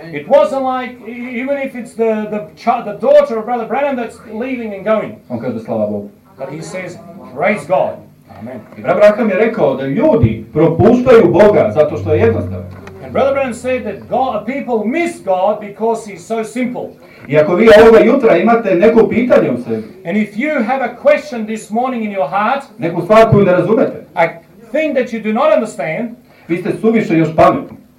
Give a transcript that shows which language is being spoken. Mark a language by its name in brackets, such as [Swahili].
[English] It wasn't like, even if it's the daughter of brother Branham that's leaving and going. [Serbian] On kaže slava Bogu. [English] But he says, praise God. Amen. [Serbian] I brat Braham je rekao da ljudi propuštaju Boga zato što je jednostavno. [English] And brother Branham said that God, people miss God because he's so simple. [Serbian] I ako vi ovoga jutra imate neko pitanje u sebi. [English] And if you have a question this morning in your heart. [Serbian] Neku stvar koju ne razumete. [English] A thing that you do not understand. [Serbian] Vi ste suviše još pametni.